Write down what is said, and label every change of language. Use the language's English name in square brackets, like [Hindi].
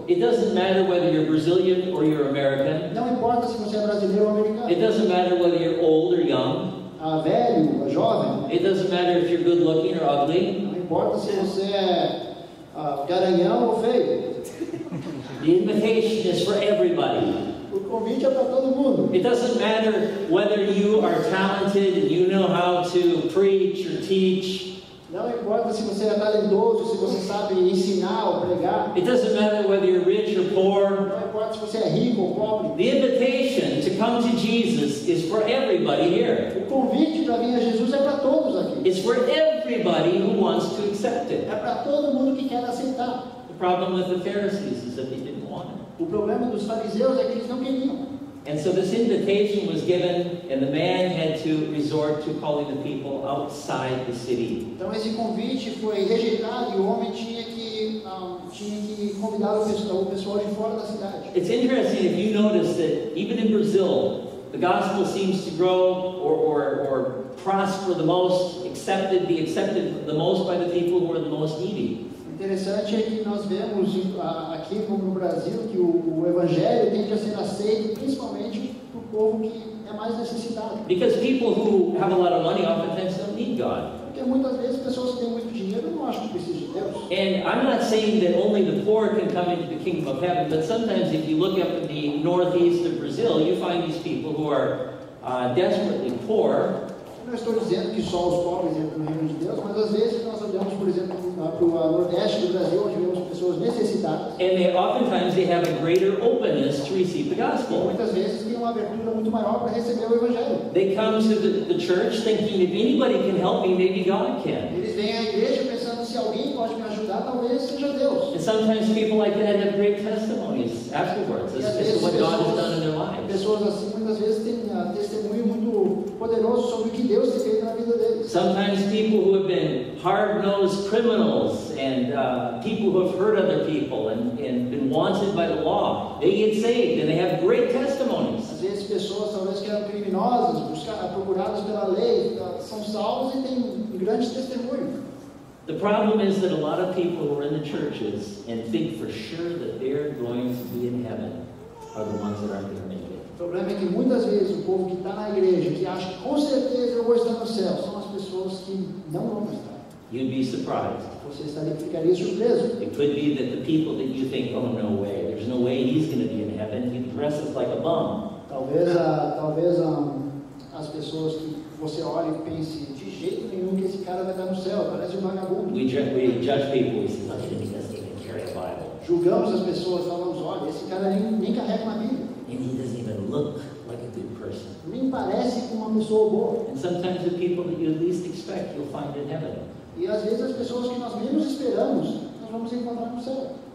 [English] It doesn't matter whether you're Brazilian or you're American. [Portuguese] Não importa se você é brasileiro ou americano. [English] It doesn't matter whether you're old or young. [Portuguese] Velho ou jovem. [English] It doesn't matter if you're good looking or ugly. [Portuguese] Não importa se você é garanhão ou feio. [English] The invitation is for everybody. [Portuguese] O convite é para todo mundo. [English] It doesn't matter whether you are talented and you know how to preach or teach. [Portuguese] Não importa se você é talentoso, se você sabe ensinar ou pregar. [English] It doesn't matter whether you're rich or poor. [Portuguese] Não importa se você é rico ou pobre. [English] The invitation to come to Jesus is for everybody here. [Portuguese] O convite para vir a Jesus é para todos aqui. [English] It's for everybody who wants to accept it. [Portuguese] É para todo mundo que quer aceitar. [English] The problem with the Pharisees is that they didn't want it. [Portuguese] O problema dos fariseus é que eles não queriam. [English] And so this invitation was given, and the man had to resort to calling the people outside the city. [Portuguese] Então esse convite foi rejeitado e o homem tinha que convidar o pessoal de fora da cidade. [English] It's interesting if you notice that even in Brazil, the gospel seems to grow or prosper the most, be accepted the most by the people who are the most needy. [Portuguese] Interessante é que nós vemos aqui como no Brasil que o evangelho tende a ser aceito principalmente por povo que é mais necessitado. [English] Because people who have a lot of money oftentimes don't need God. [Portuguese] Porque muitas vezes pessoas que têm muito dinheiro não acham que precisam de Deus. [English] And I'm not saying that only the poor can come into the kingdom of heaven, but sometimes if you look up in the northeast of Brazil, you find these people who are desperately poor. [Portuguese] Não estou dizendo que só os pobres entram no reino de Deus, mas às vezes nós olhamos, por exemplo, para o nordeste do Brasil, onde vemos pessoas necessitadas. [English] And oftentimes they have a greater openness to receive the gospel. [Portuguese] E muitas vezes têm uma abertura muito maior para receber o evangelho. [English] They come to the church thinking if anybody can help me, maybe God can. [Portuguese] Eles vêm à igreja pensando se alguém pode me ajudar, talvez seja Deus. [English] And sometimes people like that have great testimonies afterwards. This is what God has done in their lives. [Portuguese] Pessoas assim muitas vezes têm testemunho muito poderoso sobre o que Deus tem feito na vida deles. [English] Sometimes people who have been hard-nosed criminals and people who have hurt other people and been wanted by the law, they get saved and they have great testimonies. [Portuguese] Às vezes pessoas talvez que eram criminosas, procuradas pela lei, são salvos e têm grandes testemunhos. [English] The problem is that a lot of people who are in the churches and think for sure that they're going to be in heaven are the ones that aren't going to make it. [Portuguese] O problema é que muitas vezes o povo que está na igreja, que acha que com certeza eu vou estar no céu, são as pessoas que não vão estar. [English] You'd be surprised. [Portuguese] Você estaria, ficaria surpreso. [English] It could be that the people that you think, oh no way, there's no way he's going to be in heaven, he dresses like a bum. [Portuguese] Talvez as pessoas que você olha e pense, de jeito nenhum que esse cara vai estar no céu, parece um vagabundo. [English] We judge people, we say, oh, he doesn't even carry a Bible. [Portuguese] Julgamos as pessoas, falamos, olha, esse cara nem carrega uma Bíblia. [English] And he doesn't even look like a good person. [Portuguese] Nem parece com uma pessoa boa. [English] And sometimes the people that you least expect, you'll find in heaven. [Portuguese] E às vezes as pessoas que nós menos esperamos, nós vamos encontrar no céu.